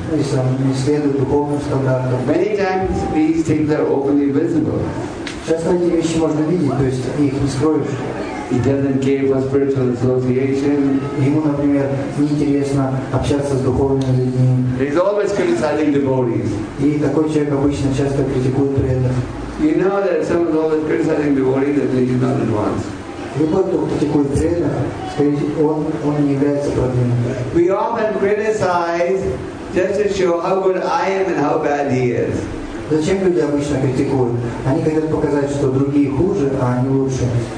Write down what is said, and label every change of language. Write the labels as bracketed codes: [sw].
[ru] Если он не следует духовным стандартам. [en] Many times these things are openly visible. [ru] Сейчас многие вещи можно видеть, то есть их не скроешь. [en] It doesn't care about spiritual association. [ru] Ему, например, неинтересно общаться с духовными людьми. [en] He's always criticizing devotees. [ru] И такой человек обычно часто критикует преданных. [en] You know that someone's always criticizing devotees that they do not advance. [ru] Любой, кто критикует преданных, он не является преданным. [en] We often criticize just to show how good I am and how bad he is. [ru] Зачем люди обычно критикуют? Они хотят показать, что другие хуже, а они лучше.